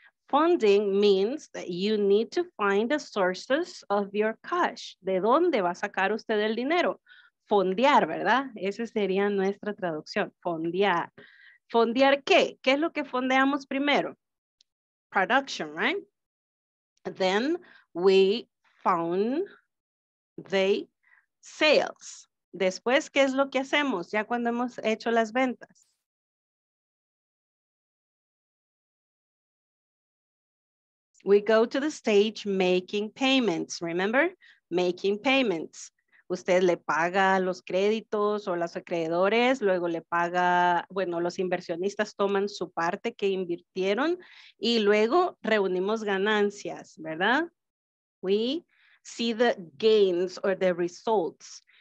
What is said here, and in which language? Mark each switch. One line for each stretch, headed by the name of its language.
English: Funding means that you need to find the sources of your cash.
Spanish: ¿De dónde va a sacar usted el dinero? Fondear, ¿verdad? Esa sería nuestra traducción, fondear. ¿Fondear qué? ¿Qué es lo que fondeamos primero?
English: Production, right? Then we fund the sales.
Spanish: Después, ¿qué es lo que hacemos ya cuando hemos hecho las ventas?
English: We go to the stage making payments, remember? Making payments.
Spanish: Usted le paga los créditos o los acreedores, luego le paga, bueno, los inversionistas toman su parte que invirtieron y luego reunimos ganancias, ¿verdad?
English: We see the gains or the results.